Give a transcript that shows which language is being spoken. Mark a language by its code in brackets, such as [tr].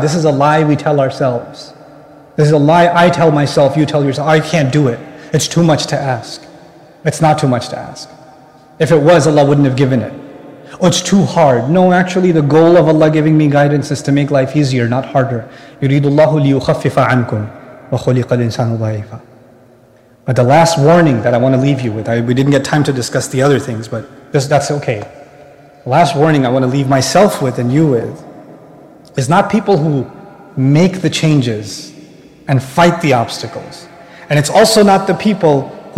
[en] This is a lie we tell ourselves. This is a lie I tell myself, you tell yourself. I can't do it. It's too much to ask. It's not too much to ask. If it was, Allah wouldn't have given it. Oh, it's too hard. No, actually the goal of Allah giving me guidance is to make life easier, not harder. [ar] يريد الله ليخفف عنكم وخلق الإنسان ضعيفا. [en] But the last warning that I want to leave you with, we didn't get time to discuss the other things, but that's okay. Last warning I want to leave myself with and you with is not people who make the changes and fight the obstacles. And it's also not the people who